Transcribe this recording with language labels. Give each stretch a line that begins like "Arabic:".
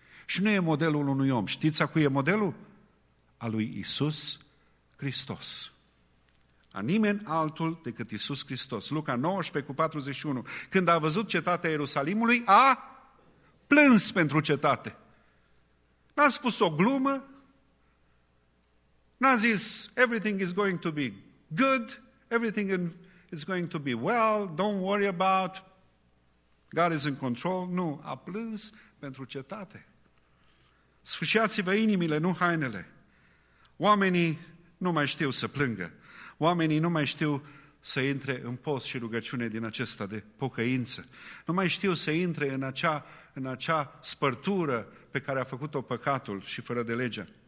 Romanian: Și nu e modelul unui om. Știți a cui e modelul? A lui Iisus Hristos. A nimeni altul decât Iisus Hristos. Luca 19:41. Când a văzut cetatea Ierusalimului, a plâns pentru cetate. N-a spus o glumă, n-a zis,
English: everything is going to be good, everything is going to be well, don't worry about, God is in control.
Romanian: Nu, a plâns pentru cetate. Sfâșiați-vă inimile, nu hainele. Oamenii nu mai știu să plângă. Oamenii nu mai știu să intre în post și rugăciune din acesta de pocăință. Nu mai știu să intre în acea spărtură pe care a făcut-o păcatul și fără de legea.